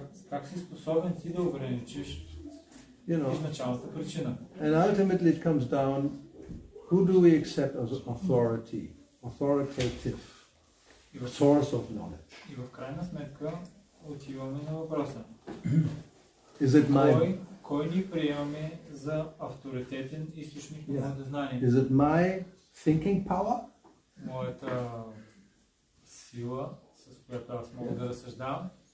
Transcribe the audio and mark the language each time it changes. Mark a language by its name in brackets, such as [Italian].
[Bulgarian] Как си способен ти да ограничиш изначалната причина? [English] And ultimately it comes down, who do we accept as authority, authoritative, source of knowledge? [Bulgarian] И в крайна сметка отиваме на въпроса. [English] Is it my... [Bulgarian] Кой ни приемаме за авторитетен източник на знание? [English] Is it my thinking power? [Bulgarian] Моята сила, с която аз мога да разсъждавам.